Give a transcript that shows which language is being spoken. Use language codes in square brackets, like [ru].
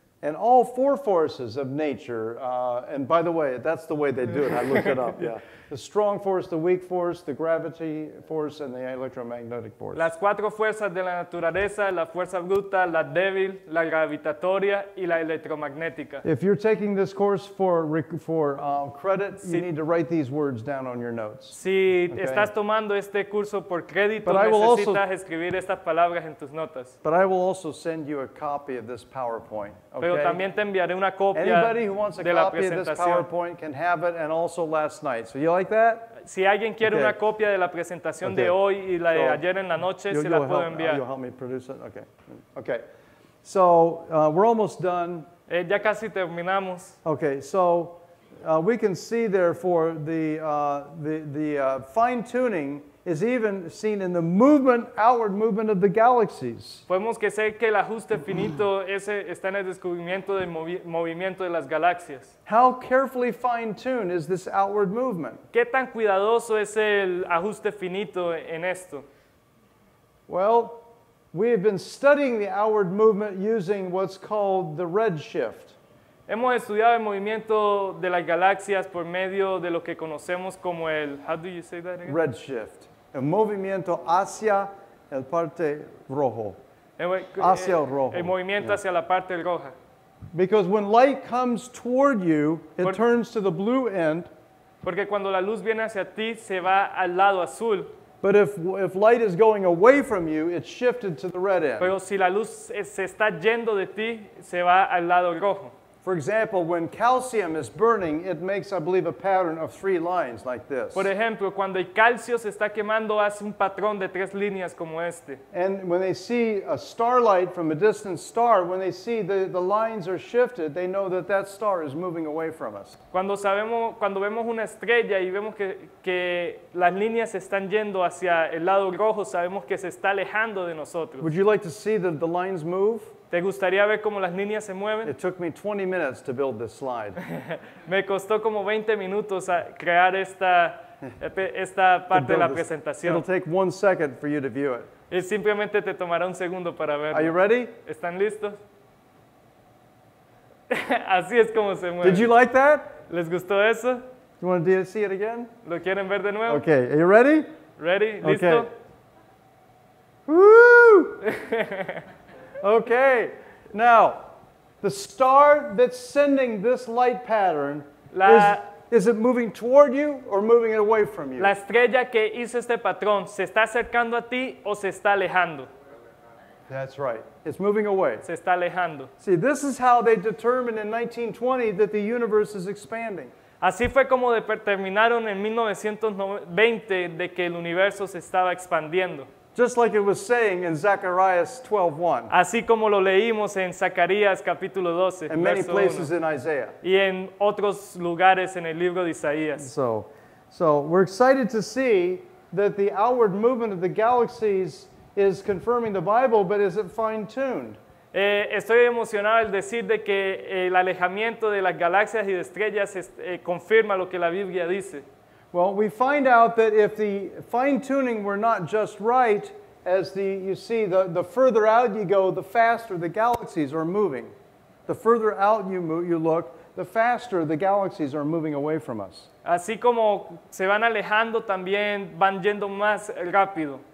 [en] And all four forces of nature, and by the way, that's the way they do it. I looked it up, yeah. The strong force, the weak force, the gravity force, and the electromagnetic force. [es] Las cuatro fuerzas de la naturaleza, la fuerza bruta, la débil, la gravitatoria, y la electromagnética. [en] If you're taking this course for credit, si, you need to write these words down on your notes. [es] Si okay. Estás tomando este curso por crédito, but necesitas also, escribir estas palabras en tus notas. [en] But I will also send you a copy of this PowerPoint, okay? [es] Pero también te enviaré una copia de la presentación. [en] Anybody who wants a copy of this PowerPoint can have it, and also last night. So you like that? [es] Si alguien quiere okay. Una copia de la presentación okay. De hoy y la de so, ayer en la noche, se la puedo enviar. [en] You'll help me produce it? Okay. Okay. So, we're almost done. [es] Ya casi terminamos. [en] Okay. So, we can see therefore the fine tuning is even seen in the movement, outward movement of the galaxies. [es] Podemos decir que el ajuste finito ese está en el descubrimiento del movimiento de las galaxias. [en] How carefully fine-tuned is this outward movement? [es] ¿Qué tan cuidadoso es el ajuste finito en esto? [en] Well, we have been studying the outward movement using what's called the redshift. [es] Hemos estudiado el movimiento de las galaxias por medio de lo que conocemos como el, [en] how do you say that again? [es] Redshift. El movimiento hacia el parte rojo. Hacia el rojo. El movimiento yeah. Hacia la parte roja. [en] Because when light comes toward you, it turns to the blue end. [es] Porque cuando la luz viene hacia ti, se va al lado azul. [en] But if light is going away from you, it's shifted to the red end. [es] Pero si la luz se está yendo de ti, se va al lado rojo. [en] For example, when calcium is burning, it makes, I believe, a pattern of three lines like this. [es] Por ejemplo, cuando el calcio se está quemando, hace un patrón de tres líneas como este. [en] And when they see a starlight from a distant star, when they see the lines are shifted, they know that that star is moving away from us. [es] Cuando vemos una estrella y vemos que las líneas están yendo hacia el lado rojo, sabemos que se está alejando de nosotros. [en] Would you like to see the lines move? [es] ¿Te gustaría ver cómo las líneas se mueven? [en] It took me 20 minutes to build this slide. [es] Me costó como 20 minutos a crear esta parte de la presentación. [en] It'll take 1 second for you to view it. [es] Y simplemente te tomará un segundo para verlo. [en] Are you ready? [es] ¿Están listos? Así es como se mueve. [en] Did you like that? [es] ¿Les gustó eso? [en] Do you want to see it again? [es] ¿Lo quieren ver de nuevo? [en] Okay, are you ready? Ready, listo. Okay. Woo! Okay, now, the star that's sending this light pattern, is it moving toward you or moving it away from you? [es] La estrella que hizo este patrón, ¿se está acercando a ti o se está alejando? [en] That's right. It's moving away. [es] Se está alejando. [en] See, this is how they determined in 1920 that the universe is expanding. [es] Así fue como determinaron en 1920 de que el universo se estaba expandiendo. [en] Just like it was saying in Zechariah 12:1. [es] Así como lo leímos en Zacarías capítulo 12, [en] and many places in Isaiah. [es] Y en otros lugares en el libro de Isaías. [en] So we're excited to see that the outward movement of the galaxies is confirming the Bible, but is it fine-tuned? [es] Estoy emocionado al decir de que el alejamiento de las galaxias y de estrellas confirma lo que la Biblia dice. [en] Well, we find out that if the fine-tuning were not just right, as the further out you go, the faster the galaxies are moving. The further out you look, the faster the galaxies are moving away from us. [es] Así como se van alejando, también van yendo más rápido.